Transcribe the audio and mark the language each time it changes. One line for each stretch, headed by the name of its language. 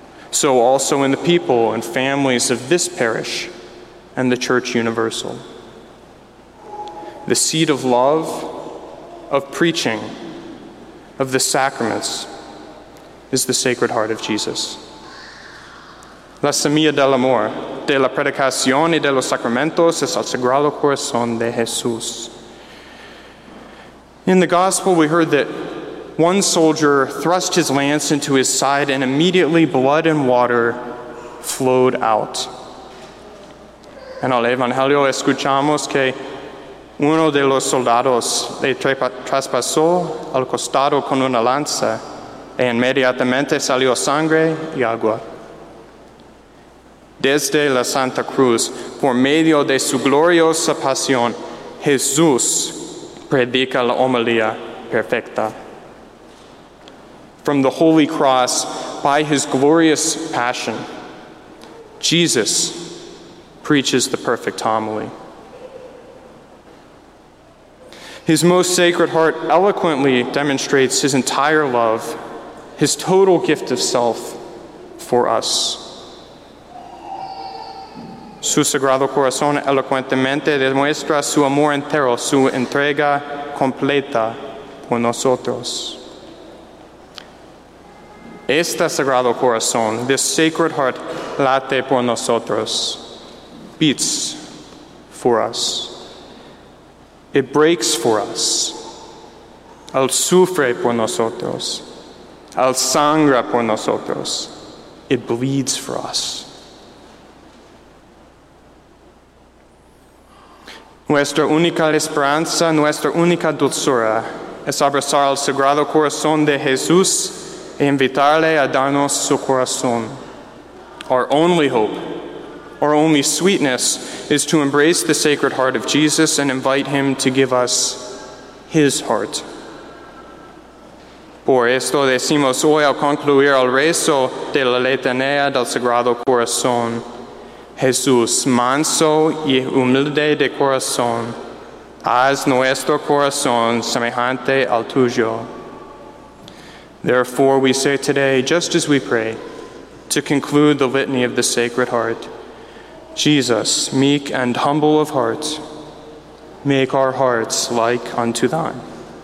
English: So also in the people and families of this parish and the Church Universal. The seed of love, of preaching, of the sacraments, is the Sacred Heart of Jesus.
Spanish: La semilla del amor, de la predicación y de los sacramentos es el Sagrado Corazón de Jesús.
English: In the Gospel, we heard that one soldier thrust his lance into his side and immediately blood and water flowed out.
Spanish: En el Evangelio escuchamos que uno de los soldados le traspasó al costado con una lanza e inmediatamente salió sangre y agua. Desde la Santa Cruz, por medio de su gloriosa pasión, Jesús predica la homilía perfecta.
English: From the Holy Cross, by his glorious passion, Jesus preaches the perfect homily. His most sacred heart eloquently demonstrates his entire love, his total gift of self for us.
Spanish: Su sagrado corazón elocuentemente demuestra su amor entero, su entrega completa por nosotros. Este sagrado corazón,
English: this sacred heart,
Spanish: late por nosotros,
English: beats for us. It breaks for us.
Spanish: Él sufre por nosotros. Él sangra por nosotros.
English: It bleeds for us.
Spanish: Nuestra única esperanza, nuestra única dulzura, es abrazar al sagrado corazón de Jesús e invitarle a darnos su corazón.
English: Our only hope, our only sweetness, is to embrace the Sacred Heart of Jesus and invite him to give us his heart.
Spanish: Por esto decimos hoy al concluir el rezo de la letanía del Sagrado Corazón, Jesús, manso y humilde de corazón, haz nuestro corazón semejante al tuyo.
English: Therefore, we say today, just as we pray, to conclude the Litany of the Sacred Heart, Jesus, meek and humble of heart, make our hearts like unto thine.